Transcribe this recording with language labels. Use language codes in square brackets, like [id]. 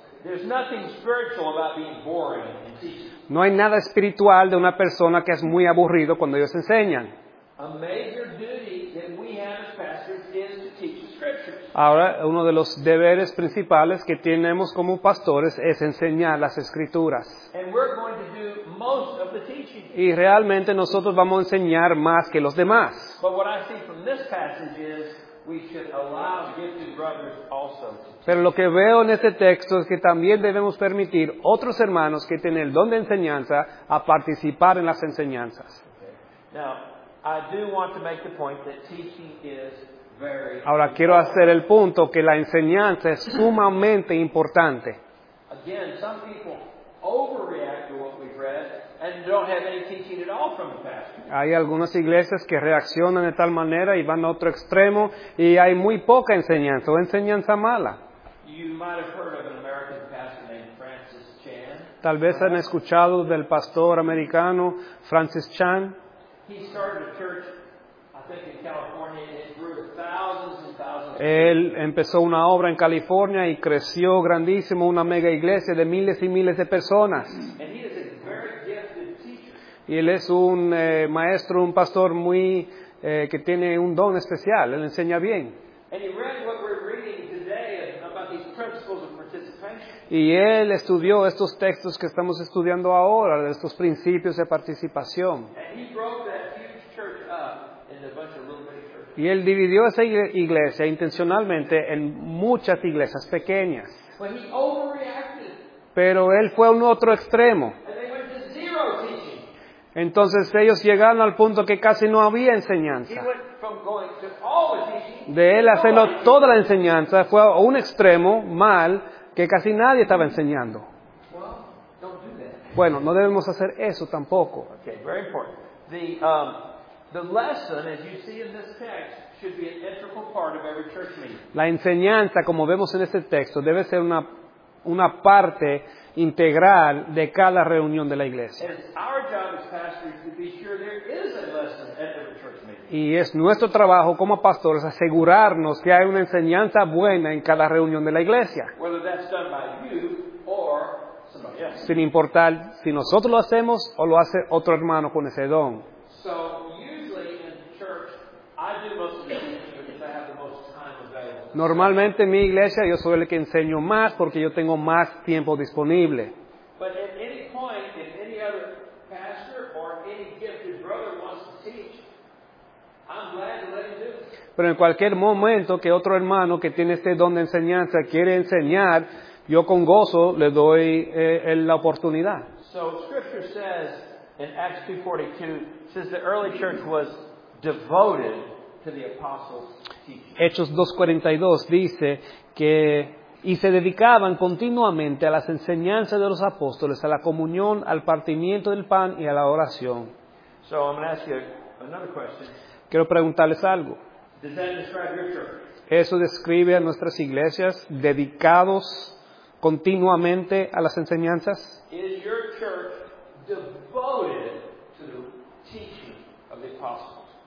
[en] There's nothing spiritual about being boring and teaching. [es] No hay nada espiritual de una persona que es muy aburrido cuando ellos enseñan. [en] A major duty that we have as pastors is to teach the scriptures. [es] Ahora, uno de los deberes principales que tenemos como pastores es enseñar las escrituras. [en] And we're going to do most of the teaching. [es] Y realmente nosotros vamos a enseñar más que los demás. [en] But what I see from this passage is we should allow gifted brothers also. [es] Pero lo que veo en este texto es que también debemos permitir otros hermanos que tienen el don de enseñanza a participar en las enseñanzas. [en] Okay. Now, I do want to make the point that teaching is very important. [es] Ahora quiero hacer el punto que la enseñanza es sumamente importante. [en] Again, some people overreact to what we've read and don't have any teaching at all from the pastor. [es] Hay algunas iglesias que reaccionan de tal manera y van a otro extremo y hay muy poca enseñanza o enseñanza mala. [en] You might have heard of an American pastor named Francis Chan. [es] Tal vez han escuchado del pastor americano Francis Chan. [en] He started a church, I think, in California, and it grew thousands and thousands. [es] Él empezó una obra en California y creció grandísimo, una mega iglesia de miles y miles de personas. [en] And he is a very gifted teacher. [es] Y él es un maestro, un pastor muy que tiene un don especial. Él enseña bien. [en] And he read what we're reading today about these principles of participation. [es] Y él estudió estos textos que estamos estudiando ahora, estos principios de participación. [en] And he broke that huge church up into a bunch of little churches. [es] Y él dividió esa iglesia intencionalmente en muchas iglesias pequeñas. [en] But he overreacted. [es] Pero él fue a un otro extremo. [en] And they went to zero teaching. [es] Entonces ellos llegaron al punto que casi no había enseñanza. [en] He went from going to all the teaching. [es] De él hacerlo toda la enseñanza, fue a un extremo mal, que casi nadie estaba enseñando. [en] Well, don't do that. [es] Bueno, no debemos hacer eso tampoco. [en] Okay, very important. The lesson, as you see in this text, should be an integral part of every church meeting. [es] La enseñanza, como vemos en este texto, debe ser una parte integral de cada reunión de la iglesia. [en] And it's our job as pastors to be sure there is a lesson at every church meeting. [es] Y es nuestro trabajo como pastores asegurarnos que hay una enseñanza buena en cada reunión de la iglesia. [en] Whether that's done by you or somebody else. [es] Sin importar si nosotros lo hacemos o lo hace otro hermano con ese don. [en] So, usually in church, I do most of the teaching because I have the most time available. [es] Normalmente en mi iglesia yo soy el que enseño más porque yo tengo más tiempo disponible. [en] But at any point, if any other pastor or any gifted brother wants to teach, I'm glad to let him do it. [es] Pero en cualquier momento que otro hermano que tiene este don de enseñanza quiere enseñar, yo con gozo le doy la oportunidad. [en] So Scripture says in Acts 2:42, says the early church was devoted to the apostles' teaching. [es] Hechos 2:42 dice que y se dedicaban continuamente a las enseñanzas de los apóstoles, a la comunión, al partimiento del pan y a la oración. [en] So I'm going to ask you another question. [es] Quiero preguntarles algo. [en] Does that describe your church? [es] ¿Eso describe a nuestras iglesias dedicados continuamente a las enseñanzas? [en] Is your church devoted to the teaching of the apostles?